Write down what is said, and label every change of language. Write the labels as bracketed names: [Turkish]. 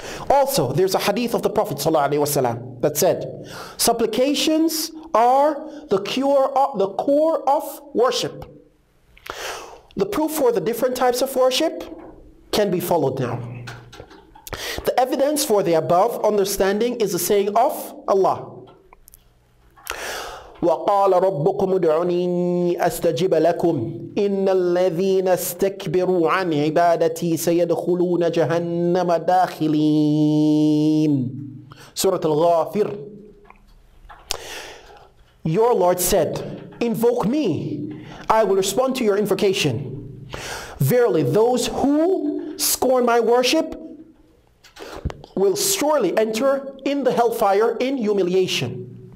[English] Also, there's a hadith of the Prophet ﷺ that said, supplications are the core of worship. The proof for the different types of worship can be followed now. The evidence for the above understanding is the saying of Allah. [Arabic] وقال ربكم ادعوني استجب لكم ان الذين استكبروا عن عبادتي سيدخلون جهنم داخلين. [English] Surah Al-Ghafir. Your Lord said, invoke me, I will respond to your invocation. Verily, those who scorn my worship will surely enter in the hellfire in humiliation.